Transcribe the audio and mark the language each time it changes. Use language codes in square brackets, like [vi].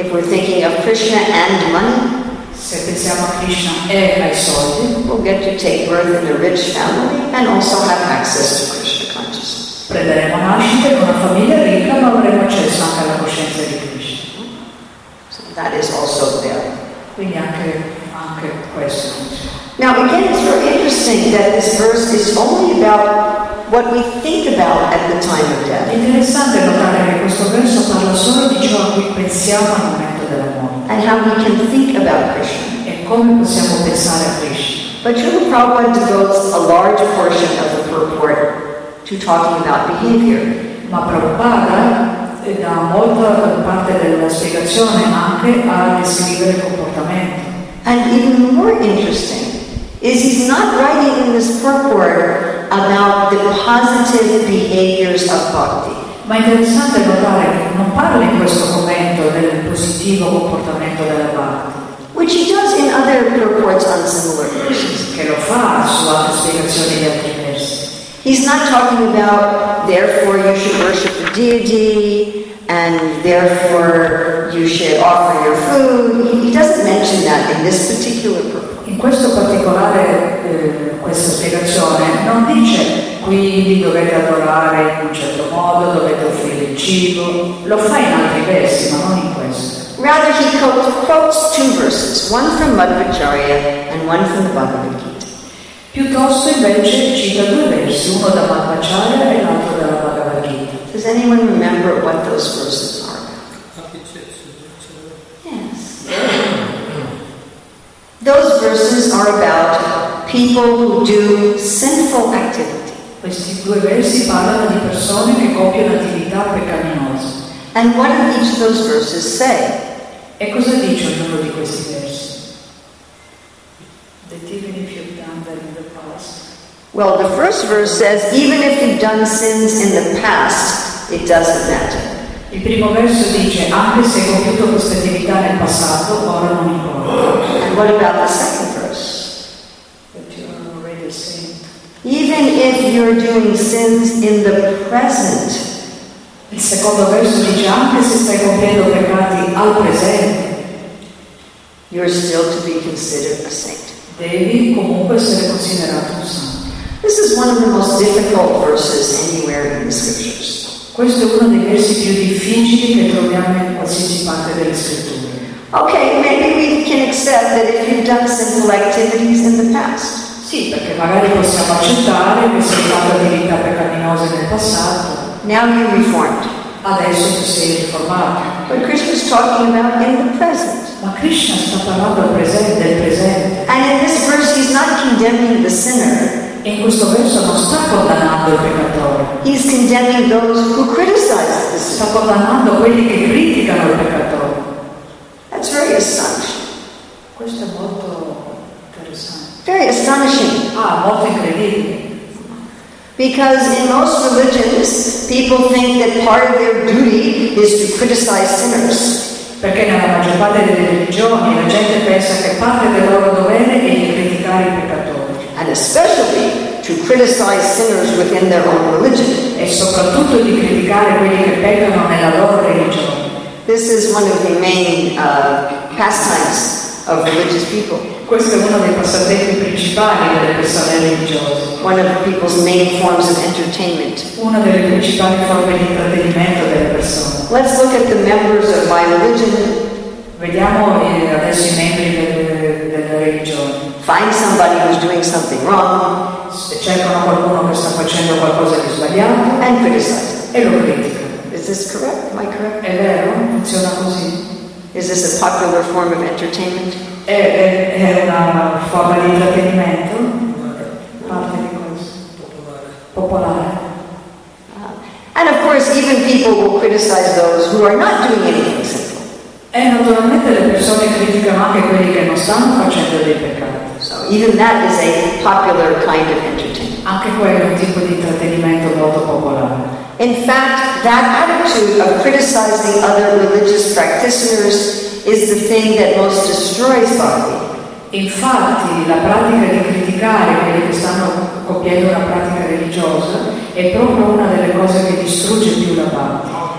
[en] If we're thinking of Krishna and money, [it] se pensiamo a Krishna e ai soldi, [en] we'll get to take birth in a rich family and also have access to Krishna consciousness. [it] Prenderemo nascita in una famiglia ricca ma avremo accesso anche alla coscienza di Krishna. [en] So that is also there. [it] Quindi anche questo. [en] Now again, it's very interesting that this verse is only about what we think about at the time of death. [it] Interessante notare che questo verso parla solo di ciò a cui pensiamo al momento della morte. [en] And how we can think about Krishna. [it] E come possiamo pensare a Krishna. [en] But Srila Prabhupada devotes a large portion of the purport to talking about behavior. [it] Ma Prabhupada dà molta parte della spiegazione anche a descrivere comportamento. [en] And even more interesting is he's not writing in this purport about the positive behaviors of bhakti. [it] Ma è interessante notare che non parla in questo momento del positivo comportamento della bhakti. [en] Which he does in other purports on similar verses. [it] Che lo fa su altre spiegazioni di altri versi. [en] He's not talking about, therefore you should worship the deity, and therefore you should offer your food. He doesn't mention that in this particular purport. [it] In questo particolare, questa spiegazione non dice quindi dovete adorare in un certo modo, dovete offrire il cibo. Lo fa in altri versi, ma non in questo. [en] Rather he quotes two verses, one from Madhvacharya and one from the Bhagavad Gita. [it] Piuttosto invece cita due versi, uno da Madhvacharya e l'altro dalla Bhagavad Gita. [en] Does anyone remember what those verses are? Those verses are about people who do sinful activity. [it] Questi due versi parlano di persone che compiono attività peccaminose. [en] And what do each of those verses say? [it] E cosa dice ognuno di questi versi? [en] That even if you've done that in the past. Well, the first verse says, even if you've done sins in the past, it doesn't matter. [it] Il primo verso dice, anche se hai compiuto queste attività nel passato, ora non importa. [en] And what about the second verse? That you are already a saint. Even if you're doing sins in the present. [it] Il secondo verso dice, anche se stai compiendo peccati al presente, [en] you're still to be considered a saint. [it] Devi comunque essere considerato un santo. [en] This is one of the most difficult verses anywhere in the scriptures. [it] Questo è uno dei versi più difficili che troviamo in qualsiasi parte delle scritture. [en] Okay, maybe we can accept that if you've done sinful activities in the past. [it] Sì, perché magari possiamo accettare che si tratta di vita peccaminosa nel passato. [en] Now you're reformed. [it] Adesso tu sei riformato. [en] But Krishna's talking about in the present. [it] Ma Krishna sta parlando del presente, del presente. [en] And in this verse he's not condemning the sinner. [it] E in questo verso non sta condannando il peccatore. [en] He's condemning those who criticize the sinner. [it] Sta condannando quelli che criticano il peccatore. [en] That's very astonishing. [it] Questo è molto interessante. [en] Very astonishing. [it] Ah, molto incredibile. [en] Because in most religions, people think that part of their duty is to criticize sinners. [it] Perché nella maggior parte delle religioni la gente pensa che parte del loro dovere è di criticare i peccatori. [en] And especially to criticize sinners within their own religion. [it] E soprattutto di criticare quelli che peccano nella loro religione. [en] This is one of the main pastimes of religious people. [it] Questo è uno dei passatempi principali delle persone religiose. [en] One of people's main forms of entertainment. [it] Una delle principali forme di intrattenimento delle persone. [en] Let's look at the members of my religion. [it] Vediamo adesso i membri della religione. [en] Find somebody who's doing something wrong. [it] Cercano qualcuno che sta facendo qualcosa di sbagliato. [en] And criticize. [it] E lo criticano. [en] Is this correct? Am I correct? [it] È vero? Funziona così. [en] Is this a popular form of entertainment? [it] È una forma di intrattenimento. Popolare. [en] And of course, even people will criticize those who are not doing anything sinful. [it] E naturalmente le persone criticano anche quelli che non stanno facendo dei peccati. [en] So even that is a popular kind of entertainment. [it] Anche quello è un tipo di intrattenimento molto popolare. [en] In fact, that attitude of criticizing other religious practitioners is the thing that most destroys bhakti. [it] Infatti, la pratica di criticare quelli che stanno compiendo una pratica religiosa è proprio una delle cose che distrugge più la bhakti.